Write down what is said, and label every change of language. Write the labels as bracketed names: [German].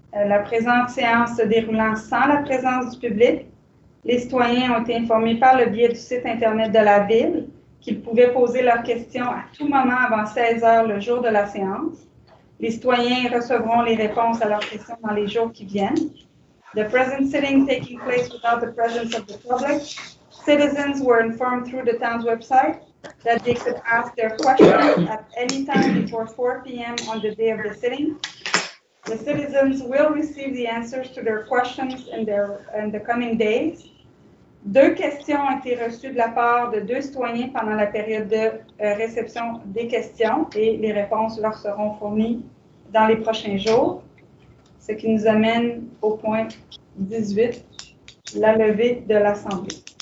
[French] La présente séance se déroulant sans la présence du public, les citoyens ont été informés par le biais du site Internet de la Ville qu'ils pouvaient poser leurs questions à tout moment avant 16 heures le jour de la séance. Les citoyens recevront les réponses à leurs questions dans les jours qui viennent. [English] The present sitting taking place without the presence of the public, citizens were informed through the town's website that they could ask their questions at any time before 4 p.m. on the day of the sitting. The citizens will receive the answers to their questions in the coming days. [French] Deux questions ont été reçues de la part de deux citoyens pendant la période de réception des questions et les réponses leur seront fournies dans les prochains jours. Ce qui nous amène au point 18, la levée de l'Assemblée.